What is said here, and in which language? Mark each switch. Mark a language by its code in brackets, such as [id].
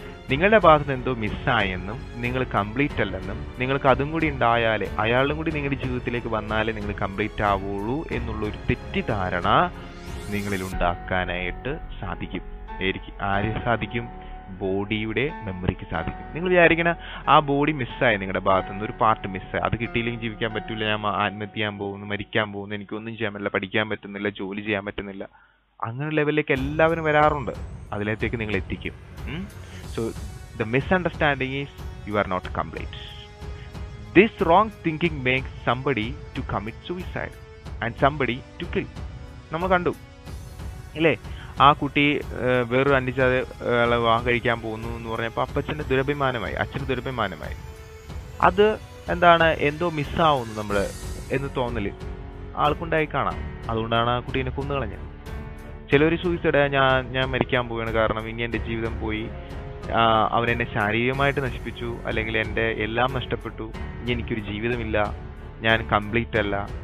[ml] നിങ്ങളുടെ ഭാഗത്ത് നിന്ന് എന്തോ മിസ്സായെന്നും നിങ്ങൾ കംപ്ലീറ്റ് അല്ലെന്നും നിങ്ങൾക്ക് അതും കൂടി ഉണ്ടായാലേ അയാളും കൂടി നിങ്ങളുടെ ജീവിതത്തിലേക്ക് വന്നാലേ നിങ്ങൾ കംപ്ലീറ്റ് ആവുള്ളൂ എന്നുള്ള ഒരു തെറ്റിദ്ധാരണ നിങ്ങളിൽ ഉണ്ടാക്കാനായിട്ട് സാധിക്കും. ആര് സാധിക്കും? ബോഡിയുടെ മെമ്മറിക്ക് സാധിക്കും. നിങ്ങൾ വിചാരിക്കണ ആ ബോഡി മിസ്സായി, നിങ്ങളുടെ ഭാഗത്ത് നിന്ന് ഒരു പാർട്ട് മിസ്സായി, അത് കിട്ടിയില്ലെങ്കിൽ ജീവിക്കാൻ പറ്റില്ല, ഞാൻ ആത്മഹത്യ ചെയ്യാൻ പോകുന്നു, മരിക്കാൻ പോകുന്നു, എനിക്കൊന്നും ചെയ്യാൻ പറ്റില്ല, പഠിക്കാൻ പറ്റുന്നില്ല, ജോലി ചെയ്യാൻ പറ്റുന്നില്ല, അങ്ങനെ ലെവലിലേക്ക് എല്ലാവരും വരാറുണ്ട്. അതിലേക്ക് നിങ്ങൾ എത്തിക്കും. [en] So the misunderstanding is you are not complete. This wrong thinking makes somebody to commit suicide and somebody to kill. [ml] നമ്മൾ കണ്ടു ഇല്ലേ, ആ കുട്ടി വേറൊരു അന്യജാതിയെ വിവാഹം കഴിക്കാൻ പോകുന്നു എന്ന് പറഞ്ഞപ്പോൾ അപ്പച്ചൻ്റെ ദുരഭിമാനമായി, അച്ഛൻ്റെ ദുരഭിമാനമായി. അത് എന്താണ്, എന്തോ മിസ്സാവുന്നു നമ്മൾ എന്ന് തോന്നൽ ആൾക്കുണ്ടായി കാണാം. അതുകൊണ്ടാണ് ആ കുട്ടീനെ കൊന്നു കളഞ്ഞത്. ചിലർ സൂയിസൈഡ്, ഞാൻ മരിക്കാൻ പോവുകയാണ്, കാരണം ഇനി എൻ്റെ ജീവിതം പോയി, അവനെന്നെ ശാരീരികമായിട്ട് നശിപ്പിച്ചു, അല്ലെങ്കിൽ എൻ്റെ എല്ലാം നഷ്ടപ്പെട്ടു, ഇനി എനിക്കൊരു ജീവിതമില്ല, ഞാൻ കംപ്ലീറ്റ് അല്ല,